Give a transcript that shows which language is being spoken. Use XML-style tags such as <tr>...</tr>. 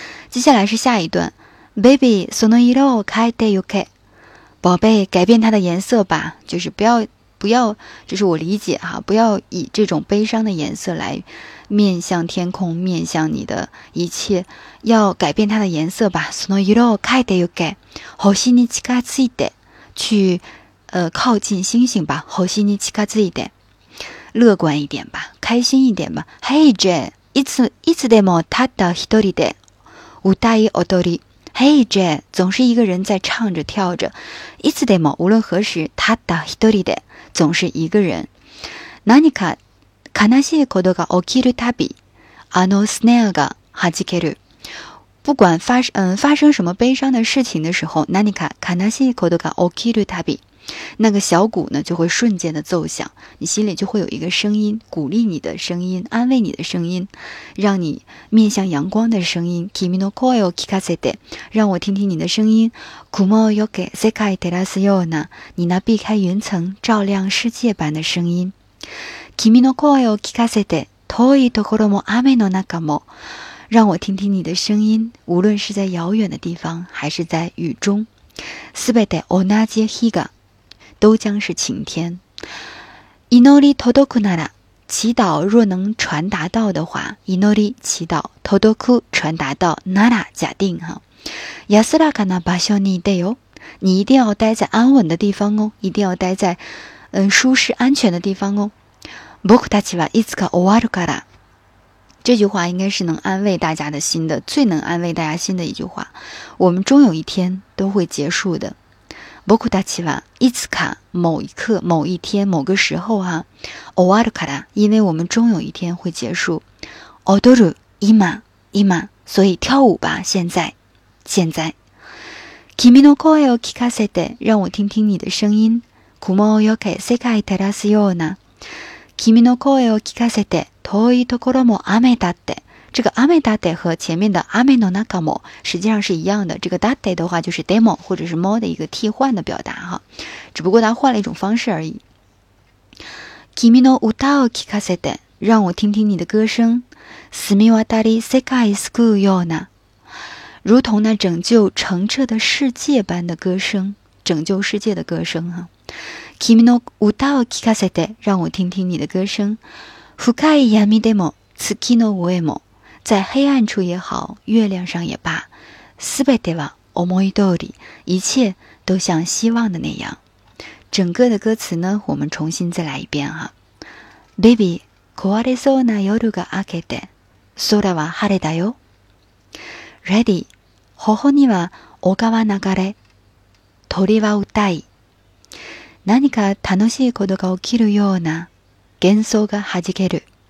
<zh>接下来是下一段 ，</zh> <ja>Baby その色を変えてゆけ，</ja> <zh>宝贝，改变它的颜色吧，就是不要，这是我理解哈，不要以这种悲伤的颜色来面向天空，面向你的一切，要改变它的颜色吧。</zh> <ja>その色を変えてゆけ，星に近づいて，去。</ja> <zh>靠近星星吧，好心你</zh> <ja>近づいて，</ja> <zh>乐观一点吧，开心一点吧。</zh> <ja>Hey Jen, いつでもただ一人で舞台踊り。</ja> <zh>Hey Jen, 总是一个人在唱着跳着。</zh> <ja>いつでも</ja> <zh>无论何时，</zh> <ja>ただ一人で</ja> <zh>总是一个人。</zh> <ja>何か悲しいことが起きるたび、あのスネアが弾ける。</ja> <zh>不管发生什么悲伤的事情的时候，</zh> <ja>何か悲しいことが起きるたび。</ja> <zh>那个小鼓呢就会瞬间的奏响，你心里就会有一个声音鼓励你的声音，安慰你的声音，让你面向阳光的声音。</zh> <ja>君の声を聞かせて，</ja> <zh>让我听听你的声音。</zh> <ja>雲をよけ、世界照らすような，</ja> <zh>你那避开云层、照亮世界般的声音。</zh> <ja>君の声を聞かせて、遠いところも雨の中も，</ja> <zh>让我听听你的声音，无论是在遥远的地方，还是在雨中。</zh> <ja>すべて同じ日が，</ja> <zh>都将是晴天。</zh> <ja>祈り届くなら，</ja> <zh>祈祷若能传达到的话，</zh> <ja>祈り</ja> <zh>祈祷，</zh> <ja>届く</ja> <zh>传达到，</zh> <ja>なら</ja> <zh>假定哈。安らかな場所にいてよ，你一定要待在安稳的地方哦，一定要待在舒适安全的地方哦。</zh> <ja>僕たちはいつか終わるから。</ja> <zh>这句话应该是能安慰大家的心的，最能安慰大家心的一句话。我们终有一天都会结束的。</zh> <ja>僕たちはいつか</ja> <zh>某一刻、某一天、某个时候哈，</zh> <ja>終わるから，</ja> <zh>因为我们终有一天会结束。</zh> <ja>踊る今、今、</ja> <zh>所以跳舞吧，现在、现在。</zh> <ja>君の声を聞かせて，</ja> <zh>让我听听你的声音。</zh> <ja>雲をよけ世界照らすような。君の声を聞かせて、遠いところも雨だって。</ja> <zh>这个</zh> <ja>雨だって</ja> <zh>和前面的</zh> <ja>雨の中も</ja> <zh>实际上是一样的。这个</zh> <ja>だって</ja> <zh>的话就是 demo 或者是 mo 的一个替换的表达哈，只不过它换了一种方式而已。</zh> <ja>君の歌を聞かせて，</ja> <zh>让我听听你的歌声。</zh> <ja>すみわたり世界救うような，</ja> <zh>如同那拯救澄澈的世界般的歌声，拯救世界的歌声哈。</zh> <ja>君の歌を聞かせて，</ja> <zh>让我听听你的歌声。</zh> <ja>深い闇でも月の上も，</ja> <zh>在黑暗处也好，月亮上也罢，</zh> <ja>すべては思い通り，</ja> <zh>一切都像希望的那样。整个的歌词呢，我们重新再来一遍哈。</zh> <ja>Baby, 壊れそうな夜が明けて、空は晴れだよ。 Ready, 頬には丘は流れ、鳥は歌い。何か楽しいことが起きるような幻想が弾ける。</ja>